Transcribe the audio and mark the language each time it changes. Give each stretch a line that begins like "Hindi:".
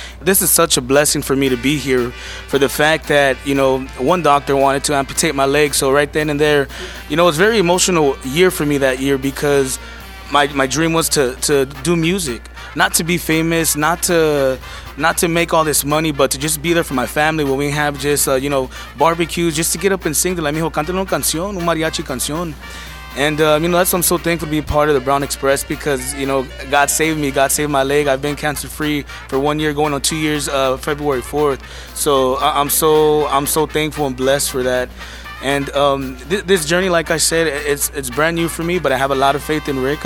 English: This is such a blessing for me to be here, for the fact that, you know, one doctor wanted to amputate my leg. So right then and there, you know, it was a very emotional year for me that year, because my dream was to do music. Not to be famous, not to make all this money, but to just be there for my family when we have just, you know, barbecues, just to get up and sing.
Spanish: De la mijo, cántale una canción, un mariachi canción.
English: And, you know, that's why I'm so thankful to be part of the Brown Express, because, you know, God saved me. God saved my leg. I've been cancer-free for 1 year, going on 2 years, February 4th. So I'm so thankful and blessed for that. And this journey, like I said, it's brand new for me, but I have a lot of faith in Rick.